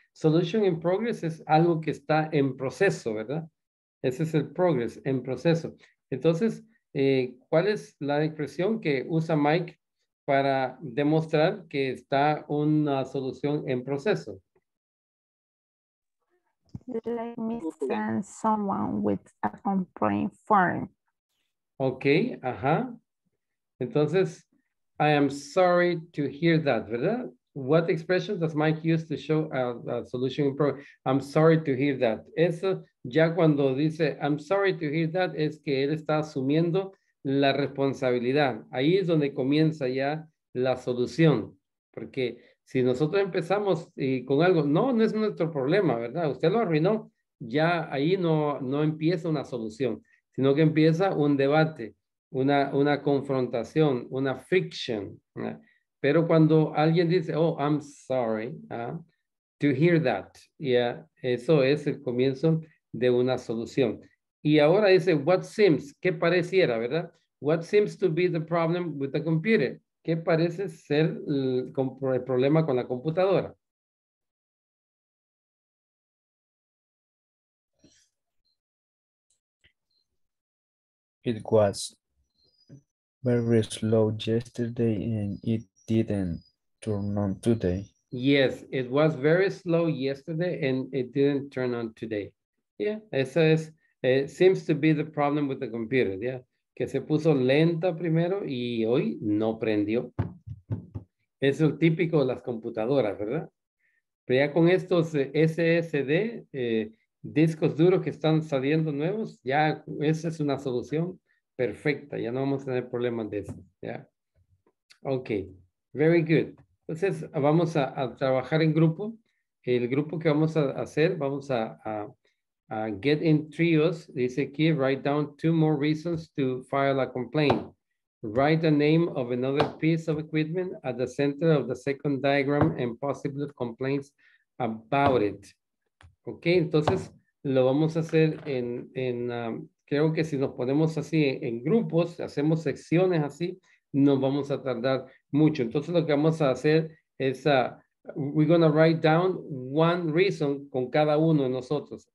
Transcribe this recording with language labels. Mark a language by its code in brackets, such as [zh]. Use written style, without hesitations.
[es] Solution in progress es algo que está en proceso, ¿verdad? Ese es el progress, en proceso. Entonces, ¿cuál es la expresión que usa Mike para demostrar que está una solución en proceso? [en] Let me send someone with a complaint form. Okay, ajá. Entonces, I am sorry to hear that, ¿verdad? What expression does Mike use to show a solution in progress? I'm sorry to hear that. [es] Eso ya cuando dice, I'm sorry to hear that, es que él está asumiendo la responsabilidad. Ahí es donde comienza ya la solución. Porque si nosotros empezamos con algo, no es nuestro problema, ¿verdad? Usted lo arruinó. Ya ahí no empieza una solución, sino que empieza un debate, una confrontación, una friction, ¿verdad? Pero cuando alguien dice, [en] oh, I'm sorry to hear that. [es] Yeah, eso es el comienzo de una solución. Y ahora dice, what seems, ¿qué pareciera, verdad? [en] What seems to be the problem with the computer? [es] ¿Qué parece ser el problema con la computadora? [en] It was very slow yesterday and it didn't turn on today. Yes, it was very slow yesterday and it didn't turn on today. Yeah, [es] eso es. [en] It seems to be the problem with the computer, yeah. [es] Que se puso lenta primero y hoy no prendió. Eso es típico de las computadoras, ¿verdad? Pero ya con estos SSD, discos duros que están saliendo nuevos, ya esa es una solución perfecta. Ya no vamos a tener problemas de eso, ¿ya? [en] Ok, very good. [es] Entonces vamos a trabajar en grupo. El grupo que vamos a [en] hacer, vamos a get in trios, [es] dice aquí, [en] write down two more reasons to file a complaint. Write the name of another piece of equipment at the center of the second diagram and possible complaints about it. [es] Ok, entonces lo vamos a hacer creo que si nos ponemos así en grupos, hacemos secciones así, no vamos a tardar mucho. Entonces lo que vamos a hacer es, [en] we're going to write down one reason [es] con cada uno de nosotros.